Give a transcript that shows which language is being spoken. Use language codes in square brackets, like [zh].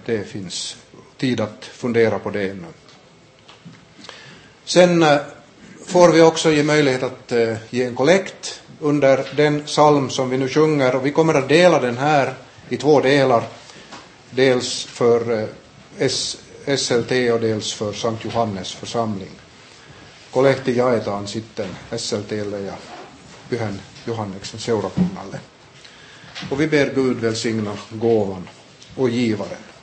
[sv] Det finns tid att fundera på det ännu. Sen får vi också ge möjlighet att ge en kollekt under den psalm som vi nu sjunger, och vi kommer att dela den här i två delar, dels för SLT och dels för Sankt Johannes församling. [fi] Kollekti jaetaan sitten SLT:lle ja Pyhän Johanneksen seurakunnalle. [sv] Och vi ber Gud välsigna gåvan och givaren.